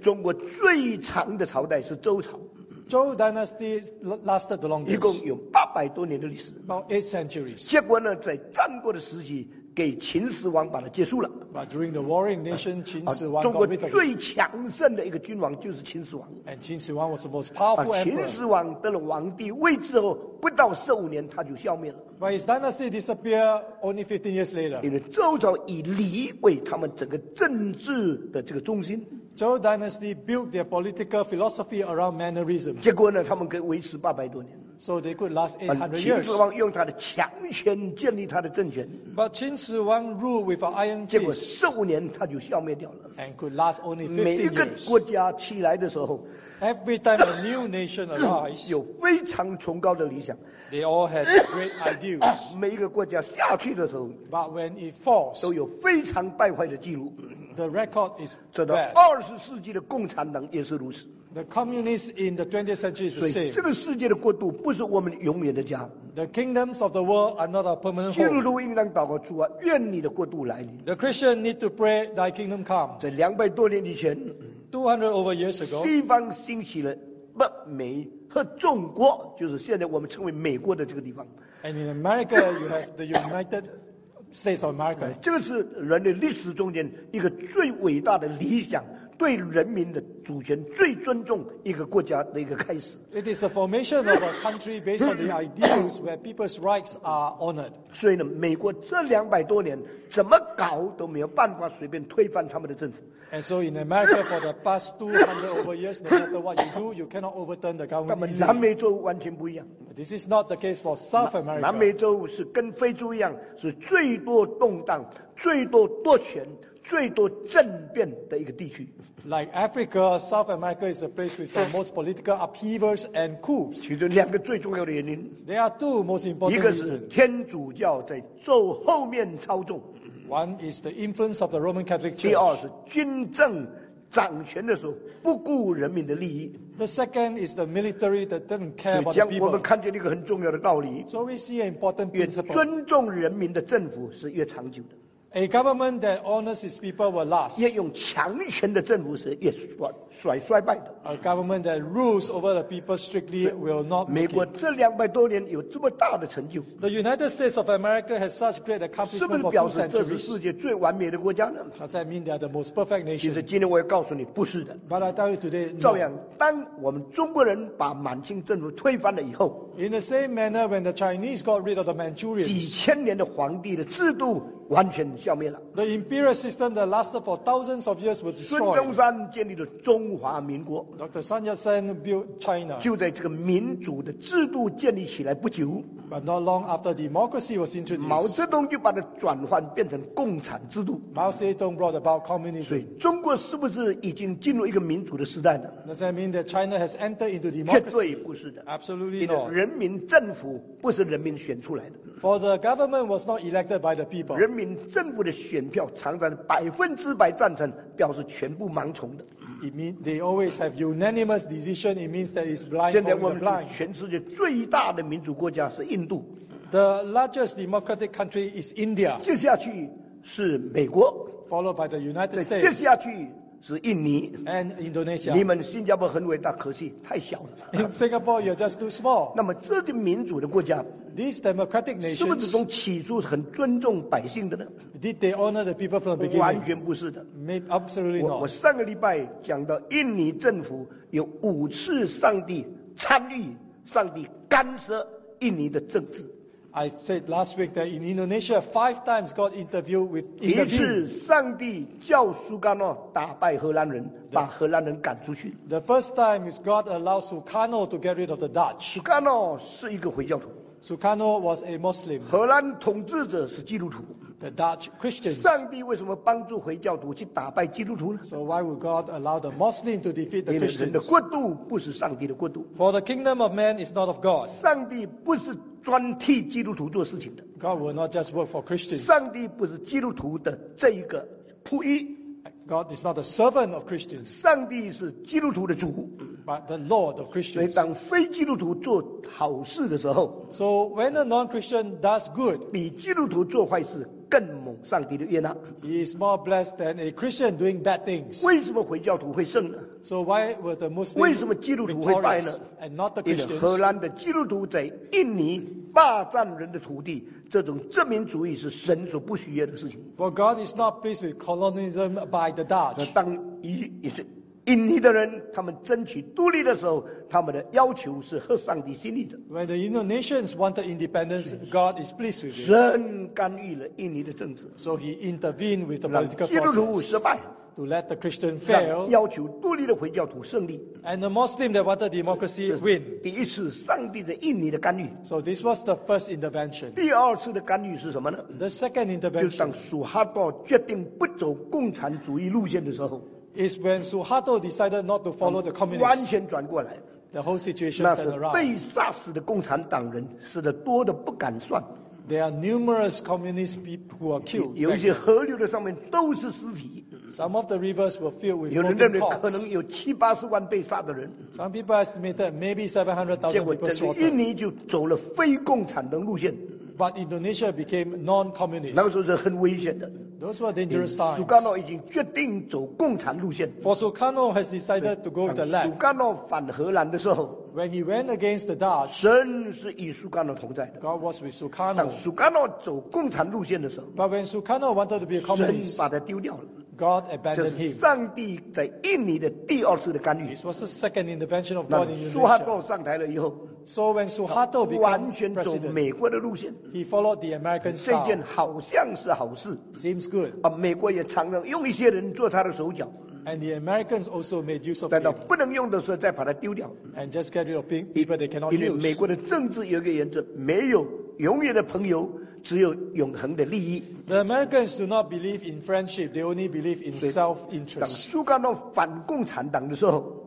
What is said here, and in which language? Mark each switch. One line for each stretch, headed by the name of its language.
Chinese: 中国最长的朝代是周朝。
English: Zhou dynasty lasted the longest.
Chinese: 一共有八百多年的历史。
English: About 8 centuries.
Chinese: 结果呢，在战国的时期。给秦始皇把它结束了。
English: But during the warring nation, 秦始皇
Chinese: 中国最强盛的一个君王就是秦始皇。
English: And 秦始皇 was the most powerful emperor.
Chinese: 秦始皇得了皇帝位置后，不到15年他就消灭了。
English: But his dynasty disappeared only 15 years later.
Chinese: 因为周朝以礼为他们整个政治的这个中心。
English: Zhou dynasty built their political philosophy around mannerism.
Chinese: 结果呢，他们可以维持八百多年。
English: So they could last 800 years.
Chinese: 秦始皇用他的强权建立他的政权。
English: But 秦始皇 ruled with an iron fist.
Chinese: 结果数年他就消灭掉了。
English: And could last only 15 years.
Chinese: 每一个国家起来的时候
English: ，Every time a new nation arises,
Chinese: 有非常崇高的理想。
English: They all had great ideals.
Chinese: 每一个国家下去的时候
English: ，But when it falls,
Chinese: 都有非常败坏的记录。
English: The record is bad.
Chinese: 走到二十世纪的共产党也是如此。
English: The communists in the 20th century is the same.
Chinese: 这个世界的国度不是我们永远的家。
English: The kingdoms of the world are not a permanent home.
Chinese: 基督徒应当祷告主啊，愿你的国度来临。
English: The Christian need to pray, Thy kingdom come.
Chinese: 在两百多年以前
English: ，200 over years ago,
Chinese: 西方兴起了北美和中国，就是现在我们称为美国的这个地方。
English: And in America, you have the United States of America.
Chinese: 这个是人类历史中间一个最伟大的理想。对人民的主权最尊重一个国家的一个开始。
English: It is the formation of a country based on the ideals where people's rights are honored.
Chinese: 所以呢，美国这两百多年怎么搞都没有办法随便推翻他们的政府。
English: And so in America for the past 200 over years, no matter what you do, you cannot overturn the government.
Chinese: 他们南美洲完全不一样。
English: This is not the case for South America.
Chinese: 南美洲是跟非洲一样，是最多动荡、最多夺权。最多政变的一个地区
English: ，Like Africa, South America is a place with the most political upheavals and coups.
Chinese: 其中两个最重要的原因
English: ，There are two most important reasons.
Chinese: 一个是天主教在咒后面操纵
English: ，One is the influence of the Roman Catholic Church.
Chinese: 第二是军政掌权的时候不顾人民的利益。
English: The second is the military that doesn't care about the people.
Chinese: 所以将我们看见一个很重要的道理
English: ，So we see an important principle.
Chinese: 越尊重人民的政府是越长久的。
English: A government that honors its people will last.
Chinese: 越用强权的政府是越衰败的。
English: A government that rules over the people strictly will not.
Chinese: 美国这两百多年有这么大的成就。
English: The United States of America has such great accomplishments for two centuries.
Chinese: 是不是表示这是世界最完美的国家呢
English: ？Does that mean they are the most perfect nation?
Chinese: 其实今天我要告诉你，不是的。
English: But I tell you today,
Chinese: 照样，当我们中国人把满清政府推翻了以后
English: ，In the same manner, when the Chinese got rid of the Manchurians,
Chinese: 几千年的皇帝的制度。完全消灭了。
English: The imperial system that lasted for thousands of years was destroyed.
Chinese: 孙中山建立了中华民国。
English: Dr. Sun Yat-sen built China.
Chinese: 就在这个民主的制度建立起来不久。
English: But not long after democracy was introduced.
Chinese: 毛泽东就把它转换变成共产制度。
English: Mao Zedong brought about communism.
Chinese: 所以中国是不是已经进入一个民主的时代呢
English: ？Does that mean that China has entered into democracy?
Chinese: 绝对不是的。
English: Absolutely not.
Chinese: 人民政府不是人民选出来的。
English: For the government was not elected by the people.
Chinese: 人民政府的选票常常100%赞成，表示全部盲从的。
English: It means they always have unanimous decision. It means that it's blind.
Chinese: 现在我们全世界最大的民主国家是印度。
English: The largest democratic country is India.
Chinese: 接下去是美国。
English: Followed by the United States.
Chinese: 接下去是印尼。
English: And Indonesia.
Chinese: 你们新加坡很伟大，可惜太小了。
English: In Singapore, you're just too small.
Chinese: 那么这些民主的国家。
English: These democratic nations,
Chinese: 是不是从起初很尊重百姓的呢
English: ？Did they honor the people from the beginning?
Chinese: 完全不是的。
English: Absolutely not.
Chinese: 我上个礼拜讲到印尼政府有五次上帝参与，上帝干涉印尼的政治。
English: I said last week that in Indonesia, five times God intervened with.
Chinese: 第一次，上帝叫苏甘诺打败荷兰人，把荷兰人赶出去。
English: The first time is God allowed Sukarno to get rid of the Dutch.
Chinese: 苏甘诺是一个回教徒。
English: Sukarno was a Muslim.
Chinese: 荷兰统治者是基督徒。
English: The Dutch Christians.
Chinese: 上帝为什么帮助回教徒去打败基督徒呢
English: ？So why would God allow the Muslim to defeat the Christians?
Chinese: 因为人的国度不是上帝的国度。
English: For the kingdom of man is not of God.
Chinese: 上帝不是专替基督徒做事情的。
English: God will not just work for Christians.
Chinese: 上帝不是基督徒的这一个仆役。
English: God is not a servant of Christians.
Chinese: 上帝是基督徒的主。
English: But the Lord of Christians.
Chinese: 所以当非基督徒做好事的时候
English: ，So when a non-Christian does good,
Chinese: 比基督徒做坏事更蒙上帝的悦纳。
English: He is more blessed than a Christian doing bad things.
Chinese: 为什么回教徒会胜呢
English: ？So why were the Muslims?
Chinese: 为什么基督徒会败呢
English: ？And not the Christians.
Chinese: 因为荷兰的基督徒在印尼霸占人的土地，这种殖民主义是神所不喜悦的事情。
English: For God is not pleased with colonialism by the Dutch.
Chinese: 当一也是。隐匿的人他们争取独立的时候他们的要求是合上帝心意的
English: When the Indonesians wanted independence God is pleased with it
Chinese: 神干预了印尼的政治
English: So he intervened with the political process
Chinese: 让基督徒失败
English: To let the Christian fail
Chinese: 让要求独立的回教徒胜利
English: And the Muslim that wanted democracy win
Chinese: 第一次上帝的印尼的干预
English: So this was the first intervention
Chinese: 第二次的干预是什么呢
English: The second intervention
Chinese: 就当苏哈多决定不走共产主义路线的时候
English: Is when Suharto decided not to follow the communists.
Chinese: 完全转过来
English: The whole situation turned around.
Chinese: 那是被杀死的共产党人，死的多的不敢算。
English: There are numerous communist people who are killed.
Chinese: 有一些河流的上面都是尸体。
English: Some of the rivers were filled with bodies.
Chinese: 有人认为可能有七八十万被杀的人。
English: Some people estimated maybe 700,000 people slaughtered.
Chinese: 结果整个印尼就走了非共产的路线。
English: But Indonesia became non-communist.
Chinese: 那个时候是很危险的。
English: Those were dangerous times.
Chinese: Sukarno 已经决定走共产路线。
English: For Sukarno has decided to go the left.
Chinese: Sukarno 反荷兰的时候
English: ，When he went against the Dutch,
Chinese: 神是与 Sukarno 同在的。
English: God was with Sukarno.
Chinese: 当 Sukarno 走共产路线的时候
English: ，But when Sukarno wanted to be a communist,
Chinese: 神把他丢掉了。
English: God abandoned him.
Chinese: 这是上帝在印尼的第二次的干预。
English: This was the second intervention of God in Indonesia.
Chinese: 那苏哈多上台了以后
English: ，So when Suharto became president,
Chinese: 完全走美国的路线。
English: He followed the American style.
Chinese: 这件好像是好事。
English: Seems good.
Chinese: 啊，美国也常常用一些人做他的手脚。
English: And the Americans also made use of him.
Chinese: 但不能用的时候再把它丢掉。
English: And just get rid of people they cannot use.
Chinese: 因为美国的政治有一个原则，没有永远的朋友。只有永恒的利益。
English: The Americans do not believe in friendship; they only believe in self-interest.
Chinese: 当苏卡诺反共产党的时候